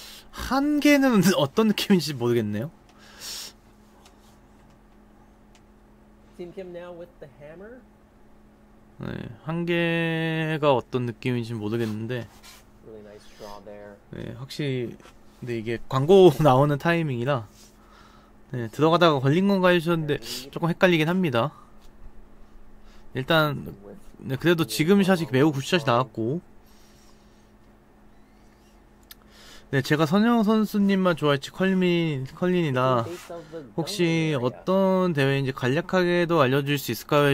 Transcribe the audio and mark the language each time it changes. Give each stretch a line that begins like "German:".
Korean: 한 개는 어떤 느낌인지 모르겠네요.
English: Team Kim now with the hammer.
Korean: 네, 한 개가 어떤 느낌인지 모르겠는데.
English: Really nice draw there.
Korean: 네, 확실히 근데 이게 광고 나오는 타이밍이라 네, 들어가다가 걸린 건가 하셨는데 조금 헷갈리긴 합니다. 일단 네, 그래도 지금 샷이 매우 굿샷이 나왔고 네, 제가 선영 선수님만 좋아했지 컬린이나 혹시 어떤 대회인지 간략하게도 알려줄 수 있을까요?